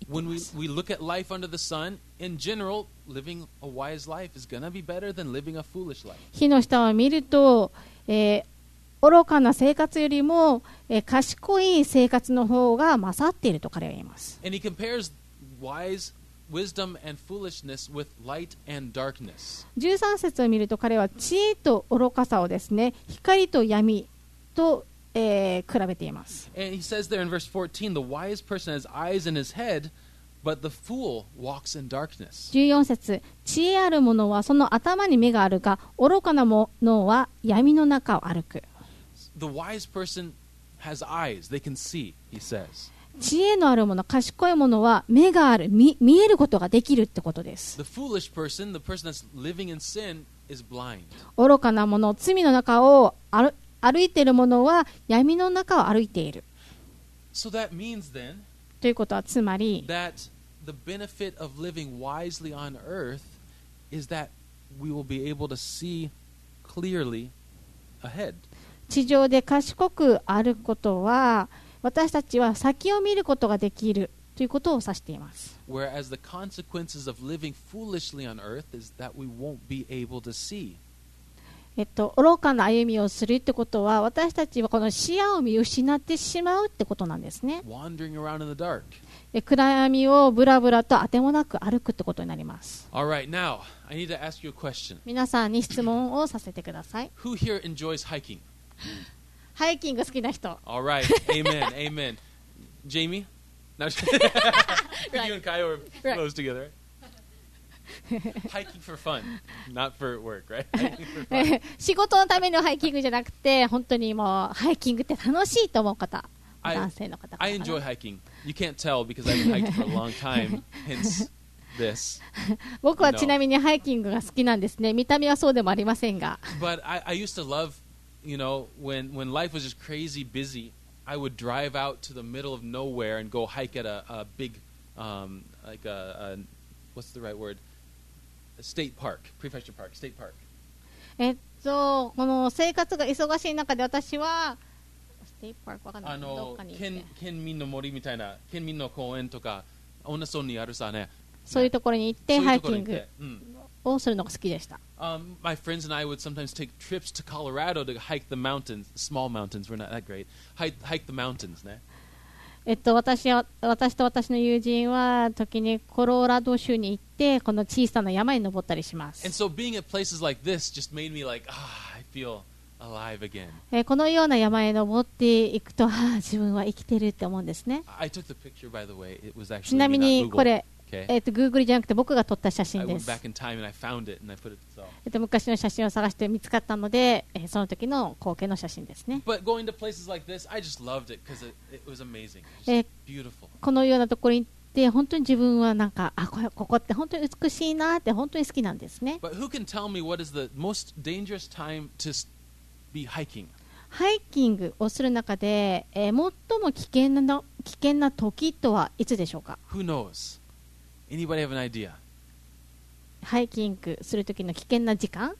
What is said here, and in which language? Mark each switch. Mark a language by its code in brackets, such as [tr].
[en] When we look at life under the sun, in general, living a wise life is going to be better than living a foolish life. [ja] 日の下を見ると、愚かな生活よりも、賢い生活の方が勝っていると彼は言います。 [en] And he compares wise wisdom and foolishness with light and darkness. [ja] 13節を見ると彼は知恵と愚かさをですね、光と闇と比べています。 [en] And he says there in verse 14, the wise person has eyes in his head, but the fool walks in darkness. [ja] 14節、知恵ある者はその頭に目があるが、愚かな者は闇の中を歩く。 [en] The wise person has eyes, they can see, he says. [ja] 知恵のあるもの、賢いものは目がある、見えることができるってことです。 [en] The foolish person, the person that's living in sin, is blind. [ja] 愚かなもの、罪の中を歩いているものは闇の中を歩いている。 [en] So that means then, [ja] ということはつまり、 [en] that the benefit of living wisely on earth is that we will be able to see clearly ahead. [ja] 地上で賢く歩くことは私たちは先を見ることができるということを指しています。 [en] Whereas the consequences of living foolishly on earth is that we won't be able to see. [ja] 愚かな歩みをするってことは私たちはこの視野を見失ってしまうってことなんですね。 [en] Wandering around in the dark. [ja] 暗闇をブラブラとあてもなく歩くってことになります。 [en] All right, now, I need to ask you a question. [ja] 皆さんに質問をさせてください。 [en] Who here enjoys hiking? [ja] ハイキング好きな人。 [en] All right, amen, amen. Jamie, now you and Kai are close together. Hiking for fun, not for work, right? [ja] 仕事のためのハイキングじゃなくて、本当にもうハイキングって楽しいと思う方、男性の方。 [en] I enjoy hiking. You can't tell because I've hiked for a long time. Hence this. [ja] 僕はちなみにハイキングが好きなんですね。見た目はそうでもありませんが。 [en] But I used to love. You know, when life was just crazy busy, I would drive out to the middle of nowhere and go hike at a big, what's the right word? A state park, prefecture park, state park. [ja] この生活が忙しい中で私は、state park わかんない、どっかに行って。県民の森みたいな、県民の公園とか、オナソンにあるさね。そういうところに行って、ハイキング。をするのが好きでした。 [en] My friends and I would sometimes take trips to Colorado to hike the mountains. Small mountains, we're not that great. Hike the mountains, ね。 [ja] 私の友人は時にコロラド州に行ってこの小さな山に登ったりします。 [en] And so being at places like this just made me like, I feel alive again. [ja] このような山へ登っていくと、自分は生きてるって思うんですね。 [en] I took the picture, by the way. It was actually [ja] ちなみにこれ。Google じゃなくて僕が撮った写真です。昔の写真を探して見つかったので、その時の光景の写真ですね。 [en] But going to places like this, I just loved it because it was amazing. Beautiful. [ja] このようなところに行って、本当に自分はなんか、ここって本当に美しいなって本当に好きなんですね。 [en] But who can tell me what is the most dangerous time to be hiking? [ja] ハイキングをする中で、最も危険な時とはいつでしょうか。 [en] Who knows? Anybody have an idea? [ja] ハイキングするときの危険な時間？